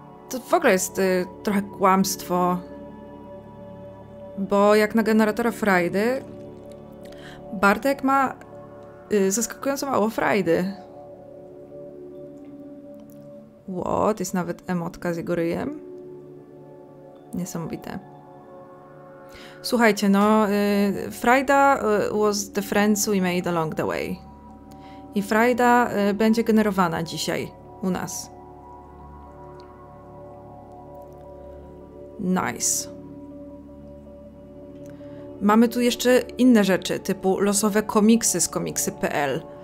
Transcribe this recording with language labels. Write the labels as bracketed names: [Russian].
[Polish] To w ogóle jest trochę kłamstwo. Bo jak na generatora frajdy, Bartek ma zaskakująco mało frajdy. [English] What? [Polish] Jest nawet emotka z jego ryjem. Niesamowite. Słuchajcie, no [English] frajda was the friends we made along the way. [Polish] I frajda będzie generowana dzisiaj u nas. [English] Nice. [Polish] Mamy tu jeszcze inne rzeczy, typu losowe komiksy z komiksy.pl.